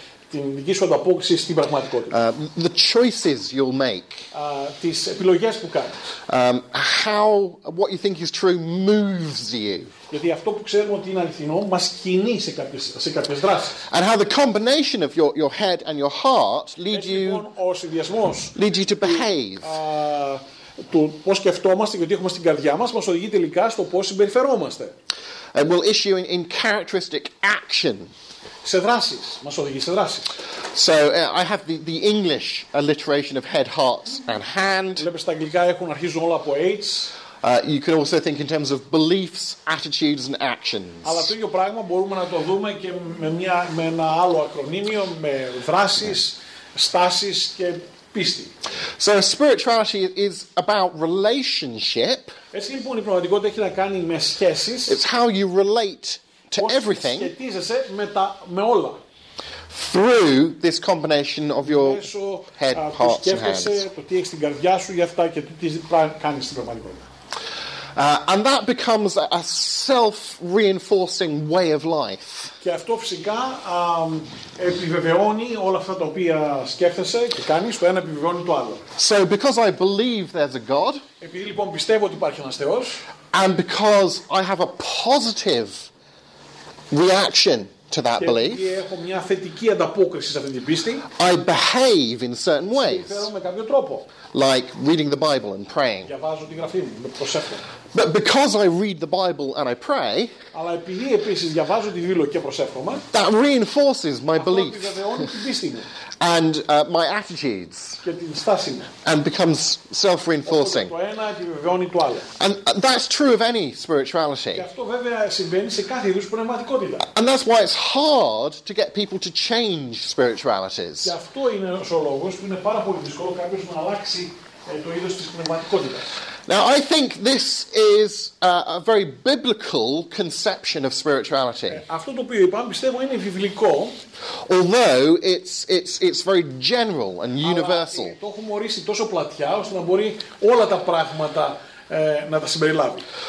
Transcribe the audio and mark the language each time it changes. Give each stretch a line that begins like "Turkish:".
Greek: Την δική σου ανταπόκριση στην πραγματικότητα.
English: The choices you'll make.
Greek: Τις επιλογές που κάνεις.
English: How what you think is true moves you.
Greek: Γιατί αυτό που ξέρουμε ότι είναι αληθινό μας κινεί σε κάποιες δράσεις.
English: And how the combination of your head and your heart leads you.
Greek: Ο συνδυασμός.
English: Leads you to behave.
Greek: Το πώς σκεφτόμαστε και ότι έχουμε στην καρδιά μας οδηγεί τελικά στο πώς συμπεριφερόμαστε.
English: And will issue in characteristic action.
Greek: Σε δράσεις, μας οδηγεί σε δράσεις.
English: So I have the English alliteration of head, heart and hand.
Greek: Βλέπεις τα αγγλικά έχουν αρχίζουν όλα από H.
English: You can also think in terms of beliefs, attitudes and actions.
Greek: Αλλά το ίδιο πράγμα μπορούμε να το δούμε και με ένα άλλο ακρονίμιο, με δράσεις, στάσεις και πίστη.
English: So spirituality is about relationship.
Greek: Έτσι λοιπόν η πνευματικότητα έχει να κάνει με σχέσεις.
English: It's how you relate to everything
Greek: με όλα.
English: Through this combination of your head, heart, and hands.
Greek: Το τι έχεις στην καρδιά σου για αυτά και τι κάνεις στην πραγματικότητα.
English: And that becomes a self-reinforcing way of life.
Greek: Και αυτό φυσικά επιβεβαιώνει όλα αυτά τα οποία σκέφτεσαι και κάνεις, το ένα επιβεβαιώνει το άλλο.
English: So because I believe there's a God.
Greek: Επειδή λοιπόν πιστεύω ότι υπάρχει ένας Θεός.
English: And because I have a positive reaction to that belief.
Greek: Και έχω μια θετική ανταπόκριση σε αυτή την πίστη.
English: I behave in certain ways.
Greek: Συμπεριφέρομαι με κάποιο τρόπο.
English: Like reading the Bible and praying.
Greek: Διαβάζω τη γραφή μου, προσεύχομαι.
English: But because I read the Bible and I pray,
Greek: αλλά επειδή επίσης διαβάζω τη Βίβλο και προσεύχομαι,
English: that reinforces my belief and my attitudes
Greek: και την στάση μου,
English: and becomes self-reinforcing.
Greek: Το ένα επιβεβαιώνει το άλλο.
English: And that's true of any spirituality.
Greek: Και αυτό βέβαια συμβαίνει σε κάθε είδους πνευματικότητα.
English: And that's why it's hard to get people to change spiritualities.
Greek: Και αυτό είναι ο λόγος που είναι πάρα πολύ δύσκολο κάποιος να αλλάξει το είδος της πνευματικότητας.
English: Now, I think this is a very biblical conception of spirituality.
Greek: Αυτό το οποίο είπα, πιστεύω, είναι βιβλικό.
English: Although it's very general and universal.
Greek: Το έχουμε ορίσει τόσο πλατιά, ώστε να μπορεί όλα τα πράγματα να τα συμπεριλάβει.